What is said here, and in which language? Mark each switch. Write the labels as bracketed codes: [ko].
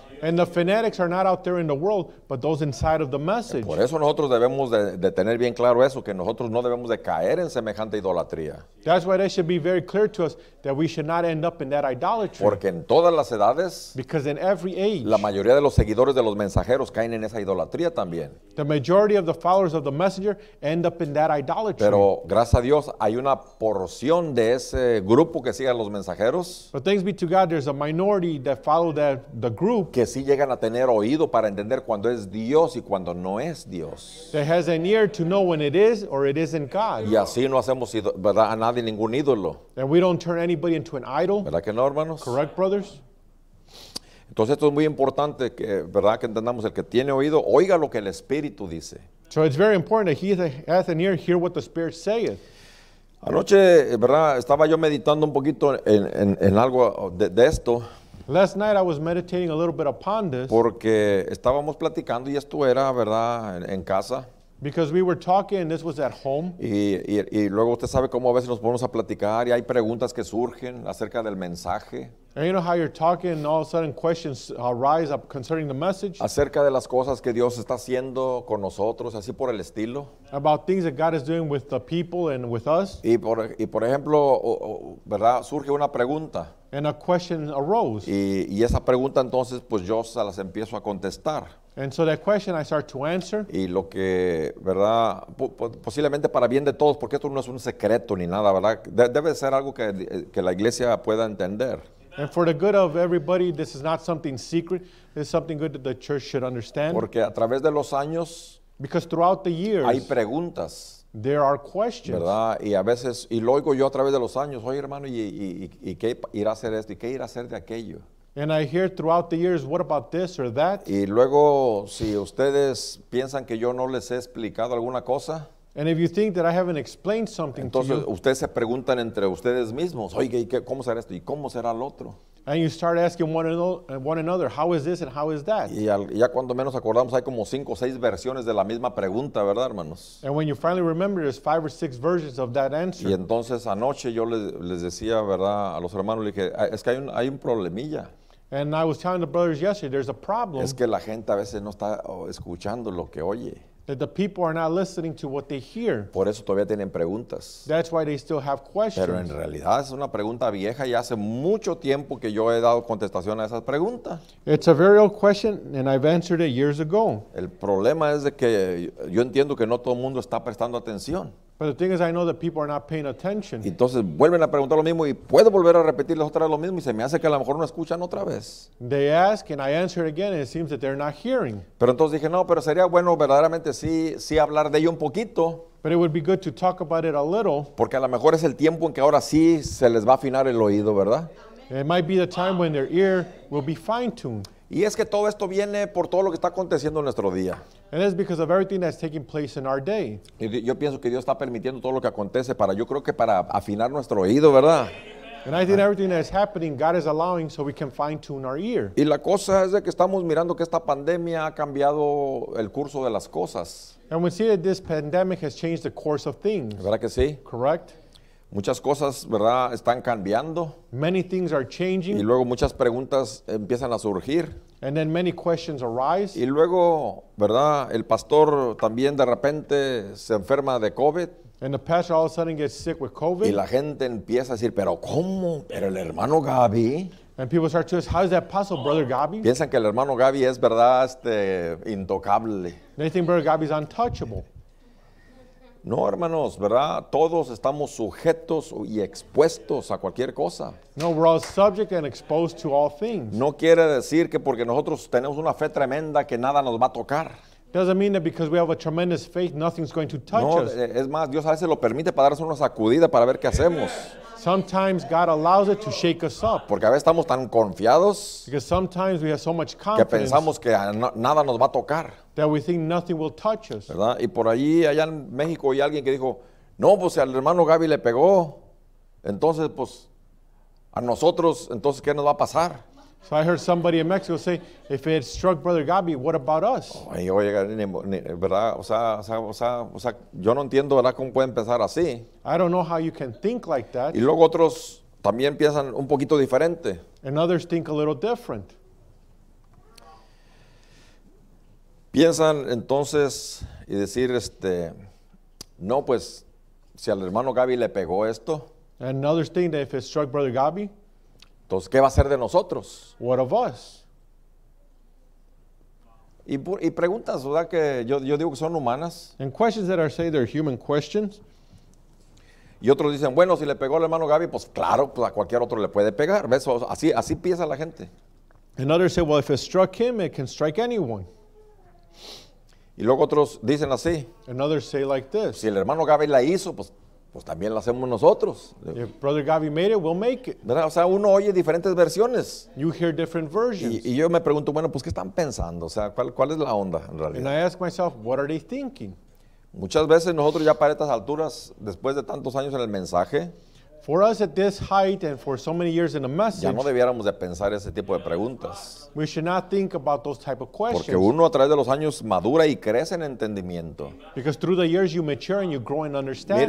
[en] And the fanatics are not out there in the world, but those inside of the message. [es] Por eso nosotros debemos de tener bien claro eso, que nosotros no debemos de caer en semejante idolatría. [en] That's why that should be very clear to us, that we should not end up in that idolatry. [es] Porque en todas las edades, [en] because in every age, [es] la mayoría de los seguidores de los mensajeros caen en esa idolatría también. [en] The majority majority of the followers of the messenger end up in that idolatry. [es] Pero gracias a Dios hay una porción de ese grupo que sigue a los mensajeros. [en] But thanks be to God, there's a minority that follow the group. [es] Que sí llegan a tener oído para entender cuando es Dios y cuando no es Dios. [en] That has an ear to know when it is or it isn't God. [es] Y así no hacemos verdad a nadie ningún ídolo. [en] And we don't turn anybody into an idol. [es] ¿Verdad que no, hermanos? [en] Correct, brothers. [es] Entonces esto es muy importante, que, ¿verdad? Que entendamos, el que tiene oído, oiga lo que el Espíritu dice. [en] So it's very important that he that hath an ear hear what the Spirit saith. [es] Anoche, ¿verdad? Estaba yo meditando un poquito en algo de esto. [en] Last night I was meditating a little bit upon this. [es] Porque estábamos platicando y esto era, ¿verdad? En casa. [en] Because we were talking and this was at home. [es] Y luego usted sabe cómo a veces nos ponemos a platicar y hay preguntas que surgen acerca del mensaje. [en] And you know how you're talking and all of a sudden questions arise up concerning the message. [es] Acerca de las cosas que Dios está haciendo con nosotros, así por el estilo. [en] About things that God is doing with the people and with us. [es] Y por ejemplo, ¿verdad? Surge una pregunta. [en] And a question arose. [es] Y esa pregunta entonces, pues yo se las empiezo a contestar. [en] And so that question I start to answer. [es] Y lo que, ¿verdad? Posiblemente para bien de todos, porque esto no es un secreto ni nada, ¿verdad? Debe ser algo que la iglesia pueda entender. [en] And for the good of everybody, this is not something secret. It's something good that the church should understand. [es] Porque a través de los años, [en] because throughout the years, [es] hay preguntas. [en] There are questions. [es] ¿Verdad? Y a veces, y lo oigo yo a través de los años, oye hermano, ¿y qué irá a hacer esto? ¿Y qué irá a hacer de aquello? [en] And I hear throughout the years, what about this or that? [es] Y luego, si ustedes piensan que yo no les he explicado alguna cosa, [en] and if you think that I haven't explained something [es] entonces, [en] to you, [es] entonces ustedes se preguntan entre ustedes mismos, oye, ¿y qué, cómo será esto? ¿Y cómo será el otro? [en] And you start asking one another, how is this and how is that? [es] Y ya cuando menos acordamos, hay como 5 o 6 versiones de la misma pregunta, ¿verdad, hermanos? [en] And when you finally remember, there's 5 or 6 versions of that answer. [es] Y entonces anoche yo les decía, ¿verdad, a los hermanos? Le dije, es que hay un problemilla. [en] And I was telling the brothers yesterday, there's a problem. [es] Es que la gente a veces no está escuchando lo que oye. [en] That the people are not listening to what they hear. [es] Por eso todavía tienen preguntas. [en] That's why they still have questions. [es] Pero en realidad es una pregunta vieja y hace mucho tiempo que yo he dado contestación a esas preguntas. [en] It's a very old question and I've answered it years ago. [es] El problema es de que yo entiendo que no todo el mundo está prestando atención. [en] But the thing is, I know that people are not paying attention. [es] Entonces vuelven a preguntar lo mismo y puedo volver a repetirles otra vez lo mismo y se me hace que a lo mejor no escuchan otra vez. [en] They ask and I answer again and it seems that they're not hearing. [es] Pero entonces dije, no, pero sería bueno verdaderamente sí hablar de ello un poquito. [en] But it would be good to talk about it a little. [es] Porque a lo mejor es el tiempo en que ahora sí se les va a afinar el oído, ¿verdad? [en] It might be the time when their ear will be fine-tuned. [es] Y es que todo esto viene por todo lo que está aconteciendo en nuestro día. [en] And it's because of everything that's taking place in our day. [es] Yo pienso que Dios está permitiendo todo lo que acontece para, yo creo que para afinar nuestro oído, ¿verdad? [en] And I think everything that is happening, God is allowing so we can fine-tune our ear. [es] Y la cosa es de que estamos mirando que esta pandemia ha cambiado el curso de las cosas. [en] And we see that this pandemic has changed the course of things. [es] ¿Verdad que sí? [en] Correct. [es] Muchas cosas, ¿verdad?, están cambiando. [en] Many things are changing. [es] Y luego muchas preguntas empiezan a surgir. [en] And then many questions arise. [es] Y luego, ¿verdad?, el pastor también de repente se enferma de COVID. [en] And the pastor all of a sudden gets sick with COVID. [es] Y la gente empieza a decir, ¿pero cómo? ¿Pero el hermano Gaby? [en] And people start to ask, how is that possible, brother Gaby? [es] Piensan que el hermano Gaby es, ¿verdad?, intocable. [en] They think brother Gaby is untouchable. [es] No, hermanos, ¿verdad? Todos estamos sujetos y expuestos a cualquier cosa. [en] No, we're all subject and exposed to all things. [es] No quiere decir que porque nosotros tenemos una fe tremenda que nada nos va a tocar. [en] Doesn't mean that because we have a tremendous faith, nothing's going to touch us. [es] No, es más, Dios a veces lo permite para darnos una sacudida para ver qué hacemos. [en] Sometimes God allows it to shake us up. [es] Porque a veces estamos tan confiados. [en] Because sometimes we have so much confidence. [es] Que pensamos que nada nos va a tocar. [en] That we think nothing will touch us. [es] ¿Verdad? Y por allí, allá en México, hay alguien que dijo, no, pues al hermano Gaby le pegó. Entonces, pues, a nosotros, entonces, ¿qué nos va a pasar? [en] So I heard somebody in Mexico say, if it struck Brother Gaby, what about us? [es] Oye, ¿verdad? O sea, yo no entiendo, ¿verdad?, cómo pueden pensar así. [en] I don't know how you can think like that. [es] Y luego otros también piensan un poquito diferente. [en] And others think a little different. [es] Piensan entonces y decir, no, pues, si al hermano Gaby le pegó esto. [en] And others think that if it struck Brother Gaby. [es] Entonces, ¿qué va a ser de nosotros? [en] What of us? [es] Y preguntas, ¿verdad? Que yo digo que son humanas. [en] And questions that are say they're human questions. [es] Y otros dicen, bueno, si le pegó al hermano Gaby, pues claro, pues a cualquier otro le puede pegar. ¿Ves? Así piensa la gente. [en] And others say, well, if it struck him, it can strike anyone. [es] Y luego otros dicen así. [en] And others say like this. [es] Si el hermano Gaby la hizo, pues también la hacemos nosotros. [en] If brother Gaby made it, we'll make it. [es] ¿Verdad? O sea, uno oye diferentes versiones. [en] You hear different versions. [es] Y yo me pregunto, bueno, pues ¿qué están pensando? O sea, ¿cuál es la onda en realidad? [en] And I ask myself, what are they thinking? [es] Muchas veces nosotros ya para estas alturas, después de tantos años en el mensaje, [en] for us at this height and for so many years in the message, [es] ya no debiéramos de pensar ese tipo de preguntas. [en] We should not think about those type of questions. [es] Porque uno a través de los años madura y crece en entendimiento. [en] Because through the years you mature and you grow in understanding.